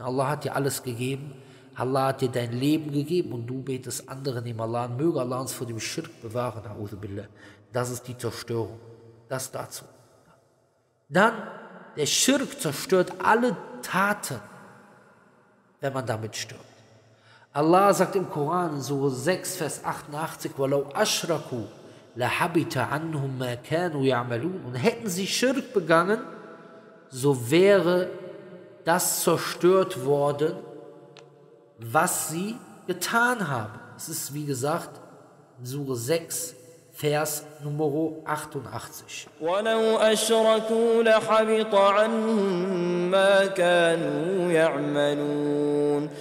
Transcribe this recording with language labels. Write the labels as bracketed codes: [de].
[de] Allah hat dir alles gegeben. Allah hat dir dein Leben gegeben und du betest andere neben Allah an. Möge Allah uns vor dem Schirk bewahren, Auzubillah. Das ist die Zerstörung. Das dazu. Dann, der Schirk zerstört alle Taten, wenn man damit stirbt. Allah sagt im Koran, Surah 6, Vers 88, [ar] وَلَوْ أَشْرَكُوا لَحَبِتَ عَنْهُمْ مَا كَانُوا يَعْمَلُونَ. [de] Und hätten sie Schirk begangen, so wäre das zerstört worden, was sie getan haben. Es ist, wie gesagt, Surah 6, Vers Nummer 88. [ar] وَلَوْ أَشْرَكُوا لَحَبِطَ عَنْهُمْ مَا كَانُوا يَعْمَلُونَ.